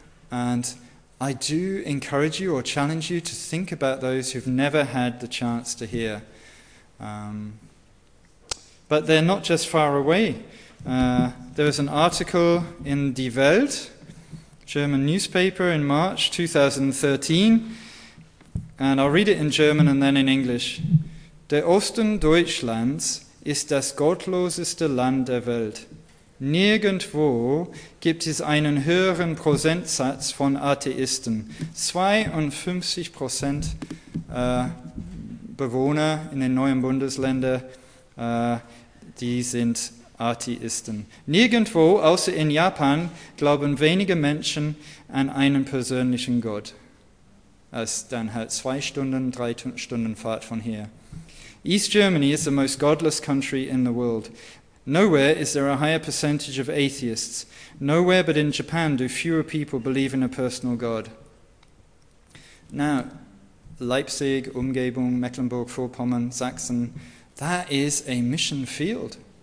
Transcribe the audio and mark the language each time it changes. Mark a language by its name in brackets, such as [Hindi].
[English] And I do encourage you or challenge you to think about those who've never had the chance to hear. But they're not just far away. There was an article in Die Welt, German newspaper, in March 2013. And I'll read it in German and then in English. [German] Der Osten Deutschlands ist das gottloseste Land der Welt. Nirgendwo gibt es einen höheren Prozentsatz von Atheisten. 52% Bewohner in den neuen Bundesländern, die sind Atheisten. Nirgendwo, außer in Japan, glauben wenige Menschen an einen persönlichen Gott. Das ist dann halt 2 Stunden, 3 Stunden Fahrt von hier. [English] East Germany is the most godless country in the world. Nowhere is there a higher percentage of atheists. Nowhere but in Japan do fewer people believe in a personal God. Now, Leipzig, Umgebung, Mecklenburg-Vorpommern, Sachsen, that is a mission field.